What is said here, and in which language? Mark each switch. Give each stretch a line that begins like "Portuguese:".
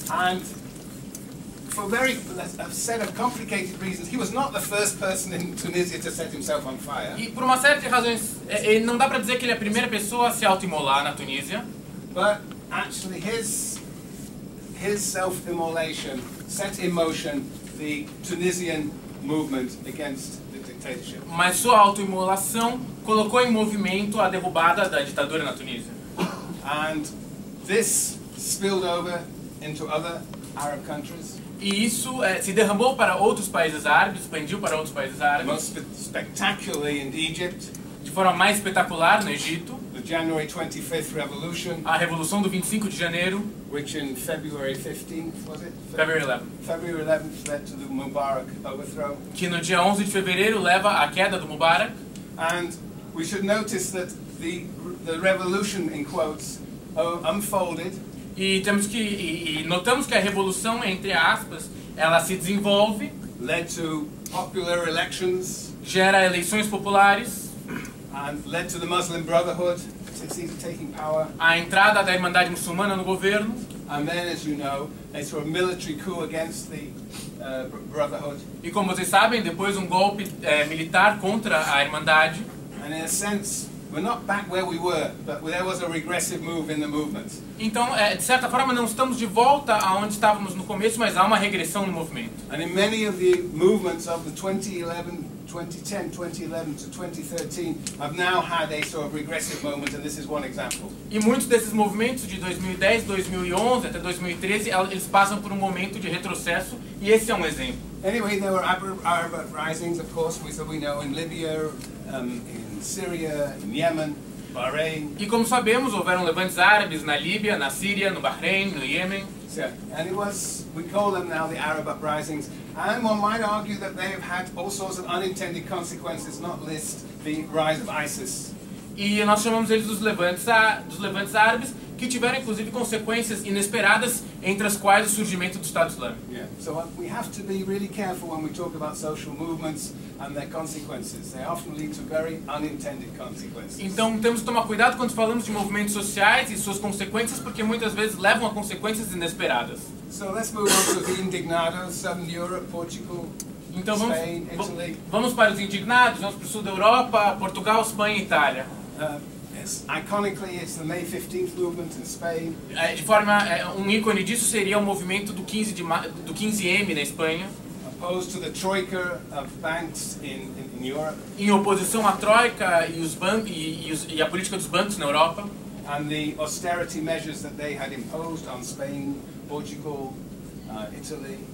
English: And for very a set of complicated reasons, he was not the first person in Tunisia to set himself on fire.
Portuguese: E por uma série de razões, não dá para dizer que ele é a primeira pessoa a se auto-imolar na Tunísia.
English: But actually, his self-immolation set in motion the Tunisian movement against the dictatorship.
Portuguese: Mas sua auto-imolação colocou em movimento a derrubada da ditadura na Tunísia.
English: And this spilled over into other Arab countries.
Portuguese: E isso se derramou para outros países árabes, expandiu para outros países árabes.
English: Most spectacularly in Egypt.
Portuguese: De forma mais espetacular no Egito.
English: The January 25th Revolution.
Portuguese: A Revolução do 25 de Janeiro.
English: Which in February 15th, was it? February 11th. February 11th led to the Mubarak overthrow.
Portuguese: Que no dia 11 de fevereiro leva à queda do Mubarak.
English: And we should notice that the revolution in quotes unfolded.
Portuguese: E notamos que a revolução, entre aspas, ela se desenvolve.
English: Led to popular elections.
Portuguese: Gera eleições populares.
English: And led to the Muslim Brotherhood taking power.
Portuguese: A entrada da Irmandade Muçulmana no governo.
English: And then, as you know, it's a military coup against the Brotherhood.
Portuguese: E como vocês sabem, depois golpe militar contra a Irmandade.
English: And in a sense, we're not back where we were, but there was a regressive move in the movement.
Portuguese: Então, de certa forma, não estamos de volta aonde estávamos no começo, mas há uma regressão no movimento.
English: And in many of the movements of the 2010 to 2013 have now had a sort of regressive moment, and this is one example.
Portuguese: E muitos desses movimentos de 2010, 2011 até 2013, eles passam por momento de retrocesso, e esse é exemplo.
English: Anyway, there were Arab uprisings, of course, we know in Libya, in Syria, in Yemen, Bahrain.
Portuguese: E como sabemos, houveram levantes árabes na Líbia, na Síria, no Bahrein, no Iêmen.
English: And it was, we call them now the Arab uprisings. And one might argue that they have had all sorts of unintended consequences, not least the rise of ISIS.
Portuguese: E nós chamamos eles dos levantes árabes, que tiveram inclusive consequências inesperadas, entre as quais o surgimento do Estado Islâmico.
English: Yeah. So we have to be really careful when we talk about social movements and their consequences. They often lead to very unintended consequences.
Portuguese: Então temos que tomar cuidado quando falamos de movimentos sociais e suas consequências, porque muitas vezes levam a consequências inesperadas.
English: So let's move on to the indignados, Southern Europe, Portugal,
Portuguese: então,
English: Spain, Italy.
Portuguese: Vamos para os indignados, vamos para o sul da Europa, Portugal, Espanha e Itália.
English: Iconically, it's the May 15th movement in Spain.
Portuguese: De forma, ícone disso seria o movimento do 15M na Espanha.
English: Opposed to the troika of banks in Europe.
Portuguese: Em oposição à troika e a política dos bancos na Europa.
English: and the austerity measures that they had imposed on Spain, Portugal, Italy,